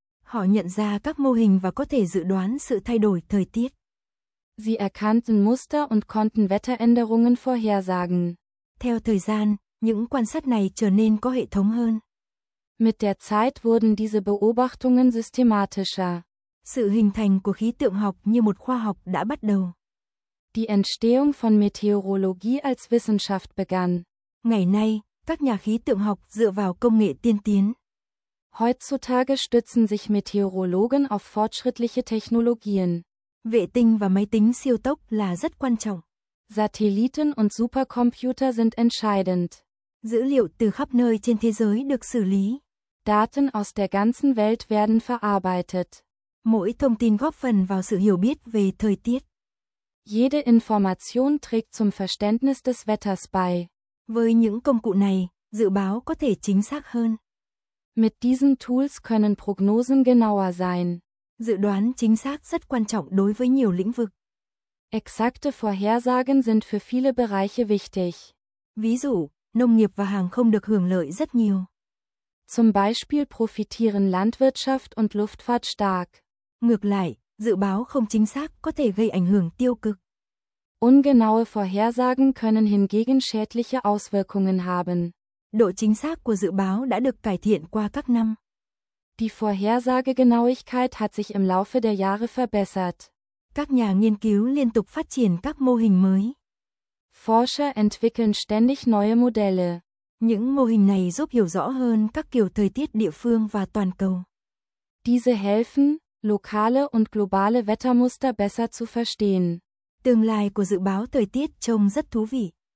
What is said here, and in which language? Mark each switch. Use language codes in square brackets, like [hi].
[vi] Họ nhận ra các mô hình và có thể dự đoán sự thay đổi thời tiết. [de] Sie erkannten Muster und konnten Wetteränderungen vorhersagen. [vi] Theo thời gian, những quan sát này trở nên có hệ thống hơn. [de] Mit der Zeit wurden diese Beobachtungen systematischer. [vi] Sự hình thành của khí tượng học như một khoa học đã bắt đầu. [de] Die Entstehung von Meteorologie als Wissenschaft begann. [vi] Ngày nay, các nhà khí tượng học dựa vào công nghệ tiên tiến. [de] Heutzutage stützen sich Meteorologen auf fortschrittliche Technologien. [vi] Vệ tinh và máy tính siêu tốc là rất quan trọng. [de] Satelliten und Supercomputer sind entscheidend. [vi] Dữ liệu từ khắp nơi trên thế giới được xử lý. [de] Daten aus der ganzen Welt werden verarbeitet. [vi] Mỗi thông tin góp phần vào sự hiểu biết về thời tiết. [de] Jede Information trägt zum Verständnis des Wetters bei. [vi] Với những công cụ này, dự báo có thể chính xác hơn. [de] Mit diesen Tools können Prognosen genauer sein. [vi] Dự đoán chính xác rất quan trọng đối với nhiều lĩnh vực. [de] Exakte Vorhersagen sind für viele Bereiche wichtig. [vi] Ví dụ, nông nghiệp và hàng không được hưởng lợi rất nhiều. [de] Zum Beispiel profitieren Landwirtschaft und Luftfahrt stark. [vi] Ngược lại, dự báo không chính xác có thể gây ảnh hưởng tiêu cực. [de] Ungenaue Vorhersagen können hingegen schädliche Auswirkungen haben. [vi] Độ chính xác của dự báo đã được cải thiện qua các năm. [de] Die Vorhersagegenauigkeit hat sich im Laufe der Jahre verbessert. [vi] Các nhà nghiên cứu liên tục phát triển các mô hình mới. [de] Forscher entwickeln ständig neue Modelle. [vi] Những mô hình này giúp hiểu rõ hơn các kiểu thời tiết địa phương và toàn cầu. [de] Diese helfen, lokale und globale Wettermuster besser zu verstehen. [vi] Tương lai của dự báo thời tiết trông rất thú vị.